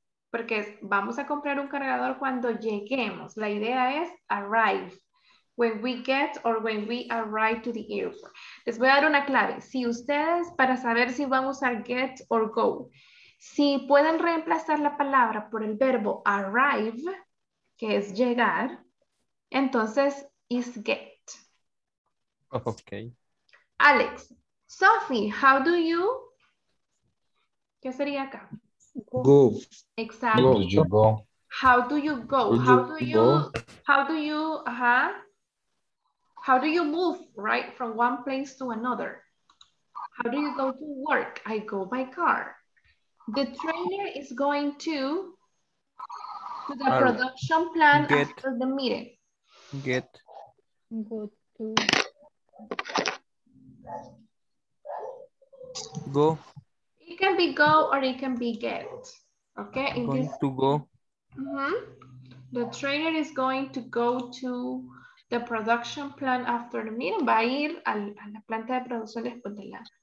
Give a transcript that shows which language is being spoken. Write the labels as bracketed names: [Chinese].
[Spanish] Porque vamos a comprar un cargador cuando lleguemos. La idea es arrive. [English] When we get or when we arrive to the airport. [Spanish] Les voy a dar una clave. Si ustedes, para saber si van a usar [English] get or go, [Spanish] si pueden reemplazar la palabra por el verbo arrive, que es llegar. Entonces, is get. [English] Okay. Alex, Sophie, how do you? [Spanish] ¿Qué sería acá? [English] Go. Exactly. Go, you go. How do you go? How do you move, right, from one place to another? How do you go to work? I go by car. The trainer is going to the production plant after the meeting. Get. Go to. Go. It can be go or it can be get. Okay. I'm going to go. Mm-hmm. The trainer is going to go to the production plant after the meeting. [Spanish] Va a ir a la planta de producción después de la...